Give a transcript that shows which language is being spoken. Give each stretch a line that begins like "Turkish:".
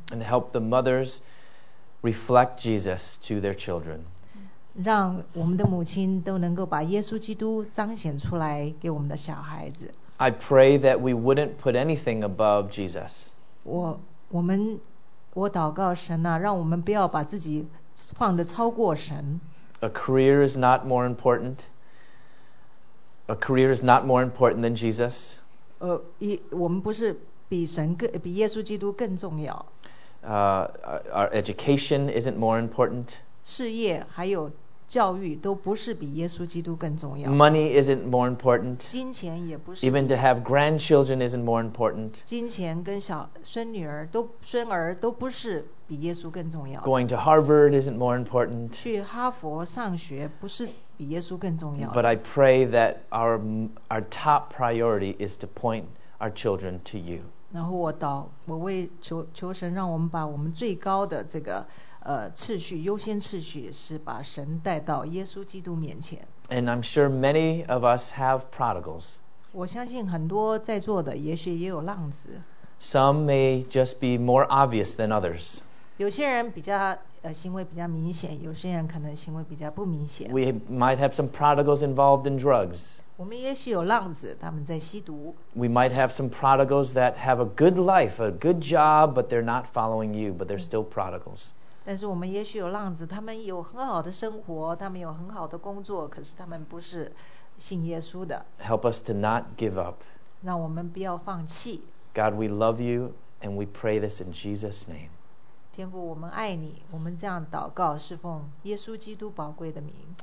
English: And help the mothers reflect Jesus to their children
Chinese: 让我们的母亲都能够把耶稣基督彰显出来给我们的小孩子
English: I pray that we wouldn't put anything above Jesus
Chinese: 我祷告神啊，让我们不要把自己放得超过神。
English: A career is not more important. A career is not more important than Jesus.
Chinese: 我们不是比神更比耶稣基督更重要。
English: Our education isn't more important.
Chinese: 事业还有教育都不是比耶稣基督更重要。
English: Money isn't more important.
Chinese: 金钱也不是。
English: Even to have grandchildren isn't more important.
Chinese: 金钱跟小孙女儿都孙儿都不是比耶稣更重要。
English: Going to Harvard isn't more important.
Chinese: 去哈佛上学不是比耶稣更重要。
English: But I pray that our top priority is to point our children to you.
Chinese: 然后我为求神让我们把我们最高的这个。次序优先次序是把神带到耶稣基督面前。
English: And I'm sure many of us have prodigals.
Chinese: 我相信很多在座的也许也有浪子。
English: Some may just be more obvious than others.
Chinese: 有些人比较行为比较明显，有些人可能行为比较不明显。
English: We might have some prodigals involved in drugs.
Chinese: 我们也许有浪子，他们在吸毒。
English: We might have some prodigals that have a good life, a good job, but they're not following you, but they're still prodigals.
Chinese: 但是我们也许有浪子，他们有很好的生活，他们有很好的工作，可是他们不是信耶稣的。
English: Help us to not give up.
Chinese: 让我们不要放弃。
English: God, we love you, and we pray this in Jesus' name.
Chinese: 天父，我们爱你，我们这样祷告，是奉耶稣基督宝贵的名。